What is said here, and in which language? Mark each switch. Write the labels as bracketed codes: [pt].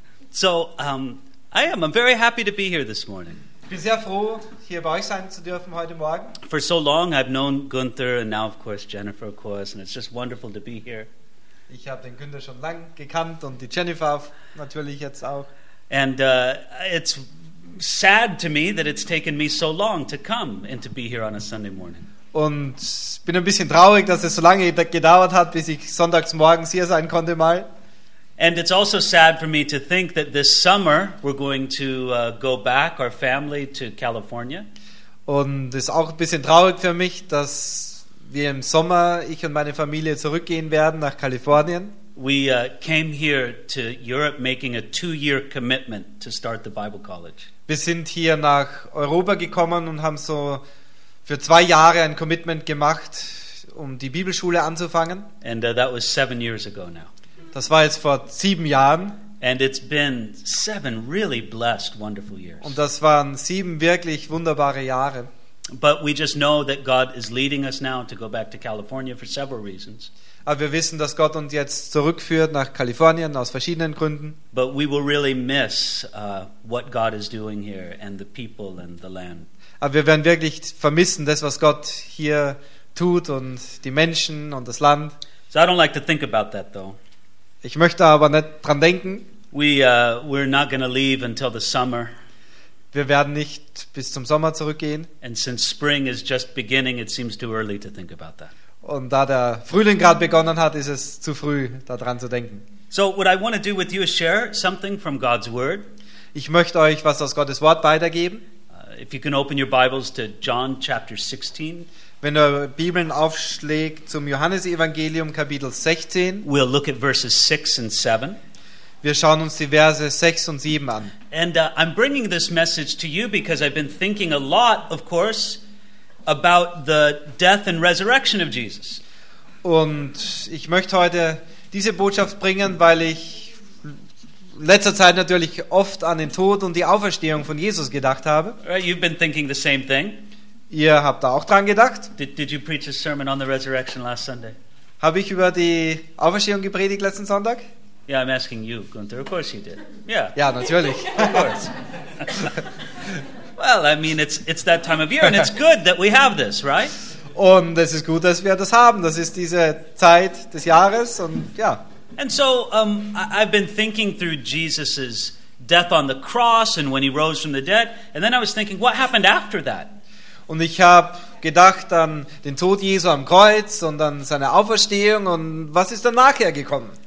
[en] So, I'm very happy to be here this morning. [de] Ich bin sehr froh, hier bei euch sein zu dürfen heute Morgen. [en] For so long I've known Gunther and now of course Jennifer, of course, and it's just wonderful to be here. [de] Ich habe den Gunther schon lang gekannt und die Jennifer natürlich jetzt auch. [en] And it's sad to me that it's taken me so long to come and to be here on a Sunday morning. [de] Und bin ein bisschen traurig, dass es so lange gedauert hat, bis ich sonntags morgens hier sein konnte mal. [en] And it's also sad for me to think that this summer we're going to go back, our family, to California. [de] Und es ist auch ein bisschen traurig für mich, dass wir im Sommer, ich und meine Familie, zurückgehen werden nach Kalifornien. [en] We came here to Europe making a 2-year commitment to start the Bible College. [de] Wir sind hier nach Europa gekommen und haben so für 2 Jahre ein Commitment gemacht, um die Bibelschule anzufangen. [en] And that was 7 years ago now. [de] Das war jetzt vor 7 Jahren. [en] And it's been 7 really blessed, wonderful years. [de] Und das waren 7 wirklich wunderbare Jahre. [en] But we just know that God is leading us now to go back to California for several reasons. [de] Aber wir wissen, dass Gott uns jetzt zurückführt nach Kalifornien aus verschiedenen Gründen. [en] But we will really miss what God is doing here and the people and the land. [de] Aber wir werden wirklich vermissen das, was Gott hier tut und die Menschen und das Land. [en] So I don't like to think about that though. [de] Ich möchte aber nicht dran denken. [en] We're not going to leave until the summer. [de] Wir werden nicht bis zum Sommer zurückgehen. [en] And since spring is just beginning, it seems too early to think about that. [de] Und da der Frühling gerade begonnen hat, ist es zu früh, daran zu denken. [en] So what I want to do with you is share something from God's word. [de] Ich möchte euch was aus Gottes Wort weitergeben. [en] If you can open your Bibles to John chapter 16. [de] Wenn du Bibeln aufschlägt zum Johannesevangelium Kapitel 16. [en] We'll look at verses 6 and 7. [de] Wir schauen uns die Verse 6 und 7 an. [en] And I'm bringing this message to you because I've been thinking a lot, of course, about the death and resurrection of Jesus. [de] Und ich möchte heute diese Botschaft bringen, weil ich letzter Zeit natürlich oft an den Tod und die Auferstehung von Jesus gedacht habe. [en] Right, you've been thinking the same thing. [de] Ihr habt da auch dran gedacht. [en] Did you preach a sermon on the resurrection last Sunday? [de] Habe ich über die Auferstehung gepredigt letzten Sonntag? [en] Yeah, I'm asking you, Gunther. Of course you did. Yeah. [de] Ja, natürlich. [en] Of course. Well, I mean, it's that time of year, and it's good that we have this, right? [de] Und es ist gut, dass wir das haben. Das ist diese Zeit des Jahres, und ja. [en] And so, I've been thinking through Jesus's death on the cross and when he rose from the dead, and then I was thinking, what happened after that? [de] Und ich habe gedacht an den Tod Jesu am Kreuz und an seine Auferstehung und was ist danach hergekommen?